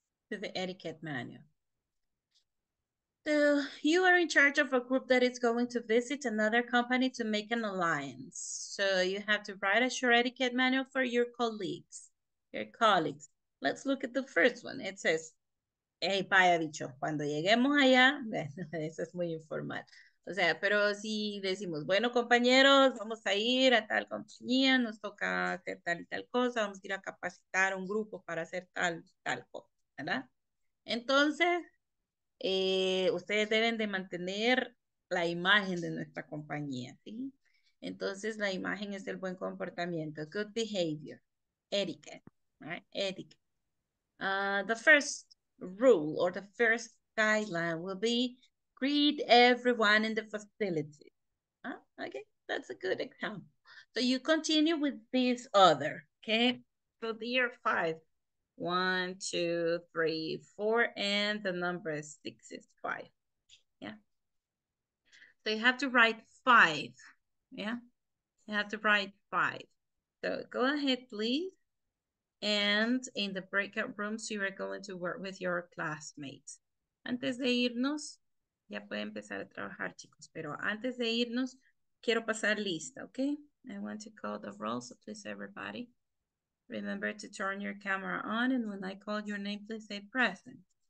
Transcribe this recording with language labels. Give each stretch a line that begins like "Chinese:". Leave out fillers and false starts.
English: To the etiquette manual. So you are in charge of a group that is going to visit another company to make an alliance. So you have to write a short etiquette manual for your colleagues. Let's look at the first one. It says, hey,
Spanish: vaya dicho, cuando lleguemos allá, bueno, eso es muy informal. O sea, pero si decimos, bueno, compañeros, vamos a ir a tal compañía, nos toca hacer tal y tal cosa, vamos a ir a capacitar un grupo para hacer tal, cosa, ¿verdad? Entonces, ustedes deben de mantener la imagen de nuestra compañía, ¿sí? Entonces, la imagen es el buen comportamiento,
English: good behavior, etiquette, right? Etiquette. The first rule or the first guideline will be greet everyone in the facility. Okay, that's a good example. So you continue with this other, okay? So dear five. 1, 2, 3, 4, and the number 6 is 5. Yeah. So you have to write 5. Yeah. You have to write 5. So go ahead, please. And in the breakout rooms, you are going to work with your classmates.
Spanish: Antes de irnos, ya puede empezar a trabajar, chicos. Pero antes de irnos, quiero pasar lista, ¿ok?
English: I want to call the roll, so please, everybody. Remember to turn your camera on, and when I call your name, please say present.